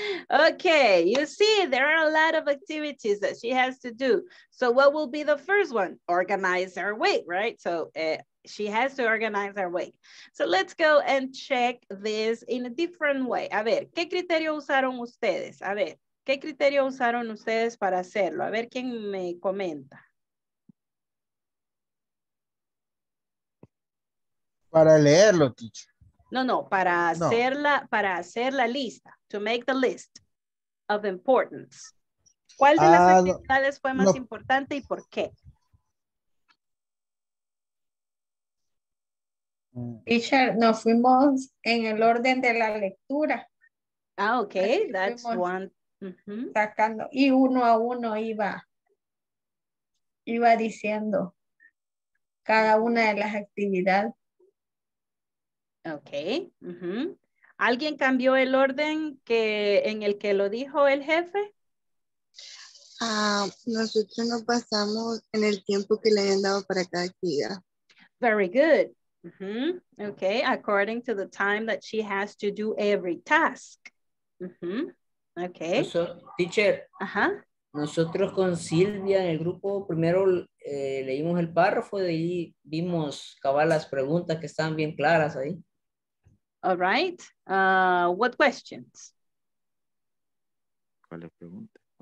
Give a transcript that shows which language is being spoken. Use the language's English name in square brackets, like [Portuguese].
[English] Okay, you see, there are a lot of activities that she has to do. So what will be the first one? Organize her week, right? So she has to organize her week. So let's go and check this in a different way. [Spanish] A ver, ¿qué criterio usaron ustedes? A ver, ¿qué criterio usaron ustedes para hacerlo? A ver, ¿quién me comenta? Para leerlo, teacher. No, no, para hacerla, no, para hacer la lista, [English] to make the list of importance. [Spanish] ¿Cuál de las actividades fue más importante y por qué? Teacher, nos fuimos en el orden de la lectura. [English] Ah, ok, así that's one. Mm-hmm. [Spanish] Sacando, y uno a uno iba diciendo cada una de las actividades. Ok. Mm-hmm. ¿Alguien cambió el orden que en el que lo dijo el jefe? Nosotros nos basamos en el tiempo que le han dado para cada actividad. [English] Very good. Mm-hmm. Ok. According to the time that she has to do every task. Mm-hmm. Ok. So, teacher. Ajá. [Spanish] Nosotros con Silvia en el grupo primero leímos el párrafo y vimos cabal las preguntas que están bien claras ahí. [English] All right. What questions? [Spanish] ¿Cuál es la pregunta?